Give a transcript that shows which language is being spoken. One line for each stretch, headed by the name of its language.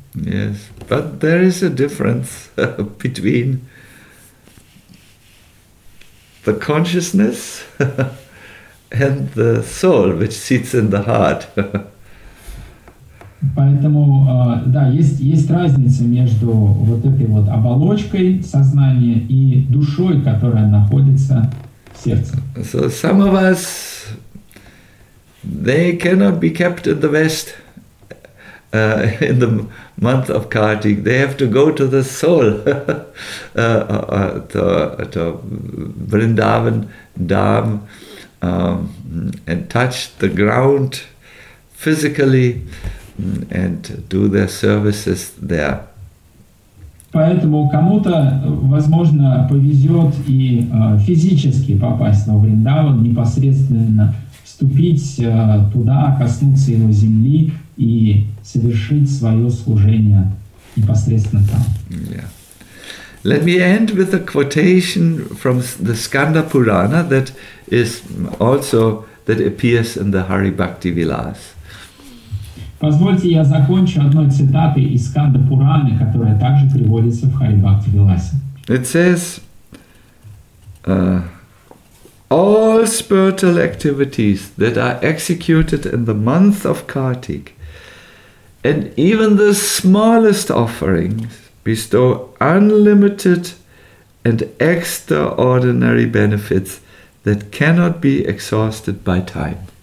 English: Yes, but there is a difference between the consciousness and the soul, which sits in the heart.
Russian: Поэтому, да, есть разница между вот этой вот оболочкой сознания и душой, которая находится в сердце.
English: So some of us, they cannot be kept in the West. In the month of Kartik, they have to go to the soul, to Vrindavan Dham, and touch the ground physically, and do their services there.
Russian: Поэтому кому-то, возможно, повезет и физически попасть на Вриндаван, непосредственно вступить туда, коснуться его земли и совершить свое служение непосредственно там.
English: Yeah. Let me end with a quotation from the Skanda Purana that is also that appears in the Hari Bhakti Vilas.
Russian: Позвольте, я закончу одной цитатой из Скандо Пураны, которая также приводится в Хари Бхакти Виласе.
English: It says, all spiritual activities that are executed in the month of Kartik, and even the smallest offerings, bestow unlimited and extraordinary benefits that cannot be exhausted by time.